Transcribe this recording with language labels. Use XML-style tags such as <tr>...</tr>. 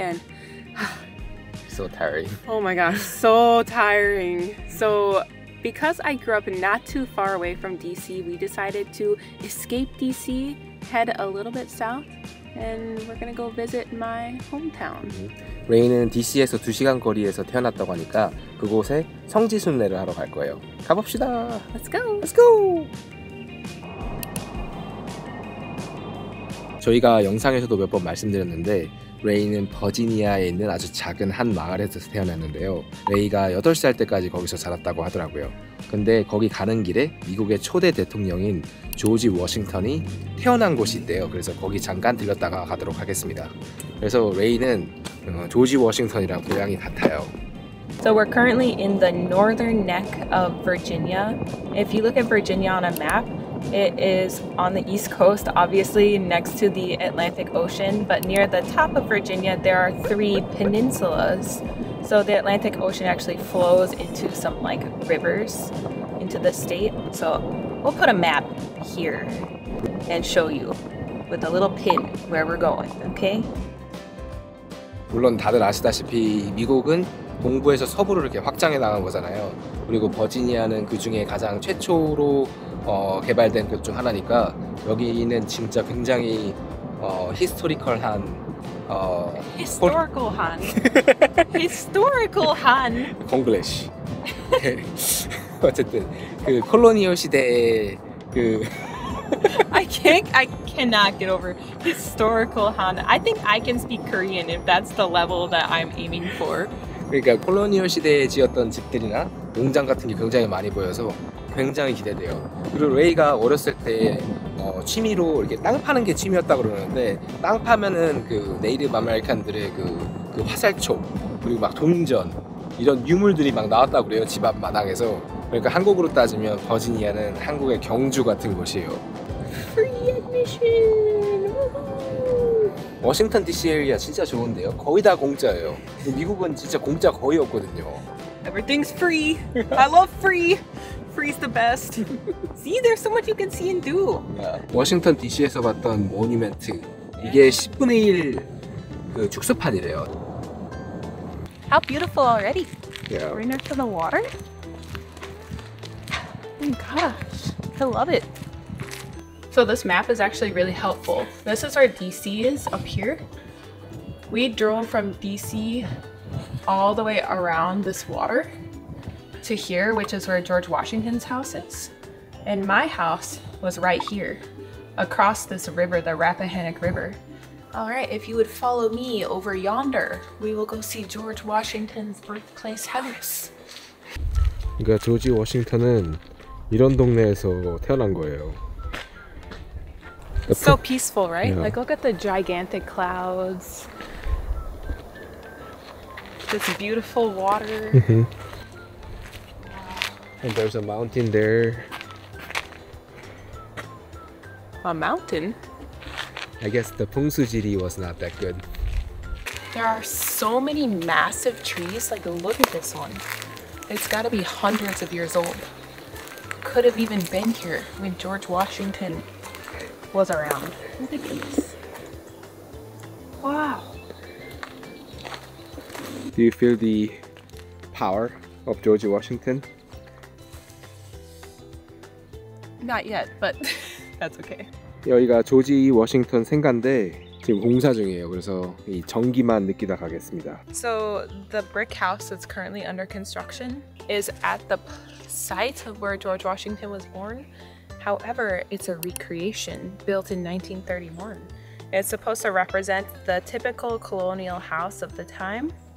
<en>and... so tiring. Oh my gosh, so tiring. So because I grew up not too far away from D.C., we decided to escape D.C., head a little bit south, and we're going to go visit my hometown.</en> <ko>Ray는 D.C.에서 2시간 거리에서 태어났다고 하니까 그곳에 성지순례를 하러 갈 거예요. 가봅시다.</ko> <en>Let's go. Let's go.</en> <ko>저희가 영상에서도 몇 번 말씀드렸는데 레이는 버지니아에 있는 아주 작은 한 마을에서 태어났는데요. 레이가 8살 때까지 거기서 자랐다고 하더라고요. 근데 거기 가는 길에 미국의 초대 대통령인 조지 워싱턴이 태어난 곳이 있대요. 그래서 거기 잠깐 들렀다가 가도록 하겠습니다. 그래서 레이는 조지 워싱턴이랑 고향이 같아요.</ko> <en>So we're currently in the northern neck of Virginia. If you look at Virginia on a map, it is on the east coast, obviously next to the Atlantic Ocean, but near the top of Virginia there are three peninsulas. So the Atlantic Ocean actually flows into some like rivers into the state. So we'll put a map here and show you with a little pin where we're going, okay?</en> <ko>물론 다들 아시다시피 미국은 동부에서 서부로 이렇게 확장해 나간 거잖아요. 그리고 버지니아는 그 중에 가장 최초로 개발된 곳 중 하나니까 여기는 진짜 굉장히 히스토리컬한 히스토리컬한 히스토리컬한 콩글리시 어쨌든 그 콜로니얼 시대의 그</ko> <en>I cannot get over historical Han. I think I can speak Korean if that's the level that I'm aiming for.</en> <ko>그러니까 콜로니얼 시대에 지었던 집들이나 농장 같은 게 굉장히 많이 보여서 굉장히 기대돼요. 그리고 레이가 어렸을 때 취미로 이렇게 땅 파는 게 취미였다고 그러는데 땅 파면은 그 네이티브 아메리칸들의 그 화살초 그리고 막 동전 이런 유물들이 막 나왔다고 그래요. 집앞 마당에서. 그러니까 한국으로 따지면 버지니아는 한국의 경주 같은 곳이에요.</ko> <en>Free admission.</en> <ko>워싱턴 DC 에리아 진짜 좋은데요. 거의 다 공짜예요. 근데 미국은 진짜 공짜 거의 없거든요.</ko> <en>Everything's free. I love free. Free's the best. See, there's so much you can see and do.</en> <ko>워싱턴 DC에서 봤던 모니멘트. 이게 10분의 1 그 축소판이래요.</ko> <en>How beautiful already. Yeah. Right next to the water. Oh my gosh. I love it. So this map is actually really helpful. This is our DC is up here. We drove from DC all the way around this water to here, which is where George Washington's house is. And my house was right here across this river, the Rappahannock River. All right, if you would follow me over yonder, we will go see George Washington's birthplace house.</en> <ko>그러니까 조지 워싱턴은 이런 동네에서 태어난 거예요.</ko> <en>It's so peaceful, right? Yeah. Like, look at the gigantic clouds. This beautiful water. And there's a mountain there. A mountain? I guess the 풍수지리 was not that good. There are so many massive trees. Like, look at this one. It's got to be hundreds of years old. Could have even been here when George Washington was around. Look at this. Wow. Do you feel the power of George Washington? Not yet, but that's okay.</en> <ko>여기가 조지 워싱턴 생가인데 지금 공사 중이에요. 그래서 이 전기만 느끼다 가겠습니다.</ko> <en>So the brick house that's currently under construction is at the site of where George Washington was born. However, it's a recreation built in 1931. It's supposed to represent the typical colonial house of the time.</en>